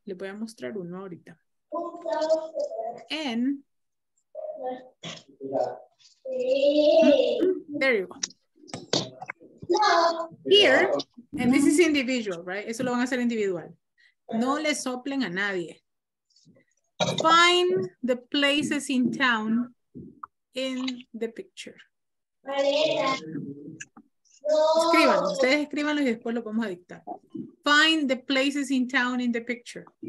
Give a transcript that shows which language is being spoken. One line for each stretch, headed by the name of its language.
Spanish: Le voy a mostrar uno ahorita.
English: And there you go. Here, and this is individual, right?
Spanish: Eso lo van a hacer individual. No le soplen a nadie.
English: Find the places in town in the picture.
Spanish: Escríbanlo. Ustedes escríbanlo y después lo vamos a dictar.
English: Find the places in town in the picture.